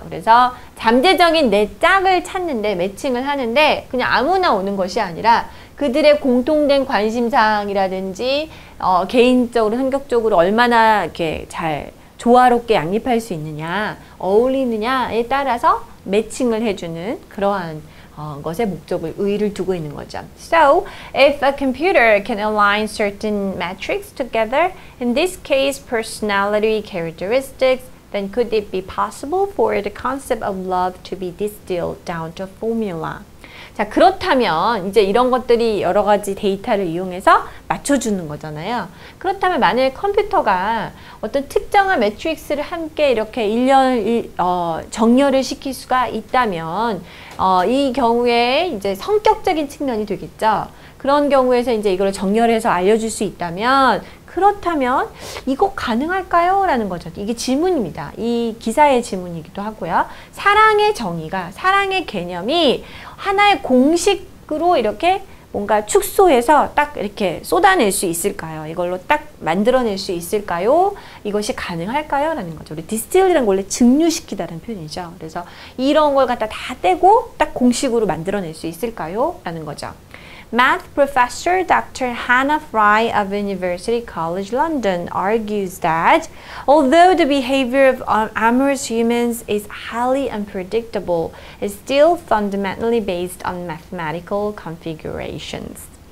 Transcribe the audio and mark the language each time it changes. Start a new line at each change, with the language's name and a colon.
Korean: 그래서 잠재적인 내 짝을 찾는데, 매칭을 하는데, 그냥 아무나 오는 것이 아니라, 그들의 공통된 관심사항이라든지, 개인적으로, 성격적으로 얼마나 이렇게 잘 조화롭게 양립할 수 있느냐, 어울리느냐에 따라서 매칭을 해주는 그러한 것의 목적을 의의를 두고 있는 거죠.
English: So, if a computer can align certain metrics together, in this case, personality characteristics, then could it be possible for the concept of love to be distilled down to formula?
Korean: 자, 그렇다면 이제 이런 것들이 여러 가지 데이터를 이용해서 맞춰주는 거잖아요. 그렇다면 만약 컴퓨터가 어떤 특정한 매트릭스를 함께 이렇게 정렬을 시킬 수가 있다면 이 경우에 이제 성격적인 측면이 되겠죠. 그런 경우에서 이제 이걸 정렬해서 알려줄 수 있다면 그렇다면 이거 가능할까요? 라는 거죠. 이게 질문입니다. 이 기사의 질문이기도 하고요. 사랑의 정의가, 사랑의 개념이 하나의 공식으로 이렇게 뭔가 축소해서 딱 이렇게 쏟아낼 수 있을까요? 이걸로 딱 만들어낼 수 있을까요? 이것이 가능할까요? 라는 거죠. 우리 distill이라는 원래 증류시키다는 표현이죠. 그래서 이런 걸 갖다 다 떼고 딱 공식으로 만들어낼 수 있을까요? 라는 거죠.
English: Math professor Dr. Hannah Fry of University College London argues that although the behavior of amorous humans is highly unpredictable, it's still fundamentally based on mathematical configurations.